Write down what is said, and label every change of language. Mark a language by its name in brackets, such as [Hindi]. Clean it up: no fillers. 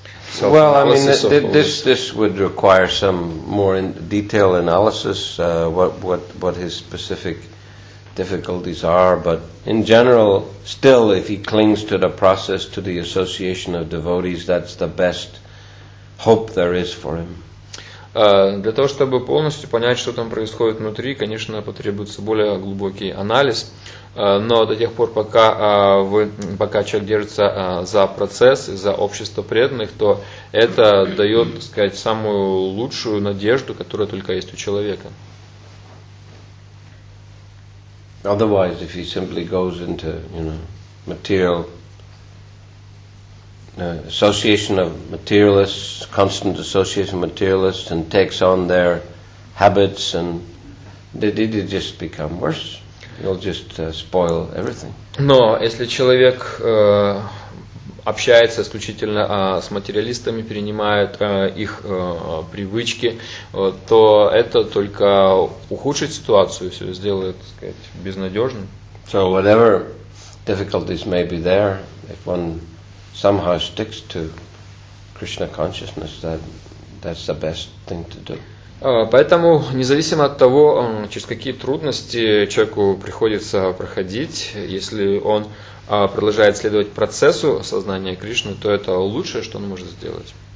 [English] So well, I mean, this would require some more detailed analysis, what his specific difficulties are. But in general, still, if he clings to the process, to the association of devotees, that's the best hope there is for him. [Russian] Для того, чтобы полностью понять, что там происходит внутри, конечно, потребуется более глубокий анализ. Но до тех пор, пока человек держится за процесс, за общество преданных, то это дает, так сказать, самую лучшую надежду, которая только есть у человека. [English] Otherwise, if he simply goes into, you know, material, association of materialists, constant association of materialists, and takes on their habits, and did it just become worse? He'll just spoil everything. [Russian] Но если человек общается исключительно с материалистами, принимает их привычки, то это только ухудшит ситуацию, все сделает, так сказать, безнадежным. [English] So whatever difficulties may be there, if one somehow sticks to Krishna consciousness, that's the best thing to do. [Russian] Поэтому, независимо от того, через какие трудности человеку приходится проходить, если он продолжает следовать процессу сознания Кришны, то это лучшее, что он может сделать.